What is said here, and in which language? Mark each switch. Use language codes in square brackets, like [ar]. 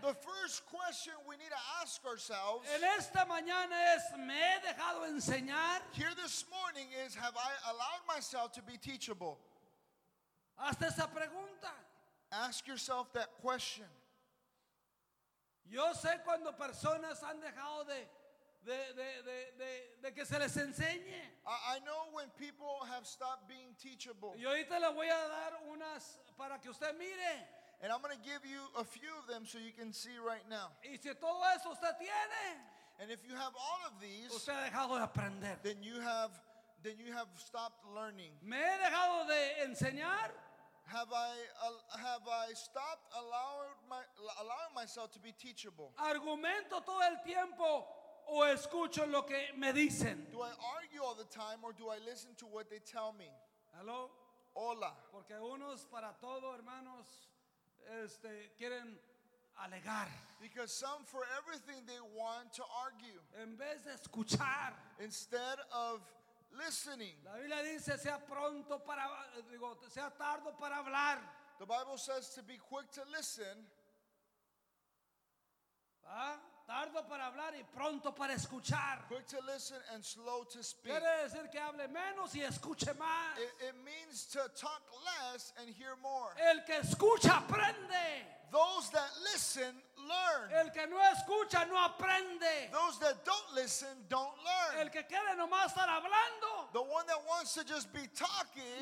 [en] the first question we need to ask ourselves, [es] en esta mañana es, ¿me he dejado enseñar? [en] Here this morning is, have I allowed myself to be teachable? [es] Hazte esa pregunta. [en] Ask yourself that question. [es] Yo sé cuando personas han dejado de que se les enseñe. [en] I know when people have stopped being teachable. [es] Y ahorita le voy a dar unas para que usted mire. [en] And I'm going to give you a few of them so you can see right now. [es] Y si todo eso usted tiene, [en] and if you have all of these, [es] usted ha dejado de aprender. [en] then you have stopped learning. [es] ¿Me he dejado de enseñar? [en] Have I stopped allowing myself to be teachable? [es] Argumento todo el tiempo o escucho lo que me dicen. [en] Do I argue all the time or do I listen to what they tell me? Hello. [es] Hola. Porque unos para todo, hermanos, quieren alegar. [en] Because some for everything they want to argue. [es] En vez de escuchar. [en] Instead of listening. [es] La Biblia dice sea pronto para sea tardo para hablar. [en] The Bible says to be quick to listen. [es] Tardo para hablar y pronto para escuchar. [en] Quick to listen and slow to speak. [es] Quiere decir que hable menos y escuche más. [en] It means to talk less and hear more. [es] El que escucha aprende. [en] Those that listen learn. [es] El que no escucha no aprende. [en] Those that don't listen don't learn. [es] El que quiere nomás estar hablando. [en] The one that wants to just be talking.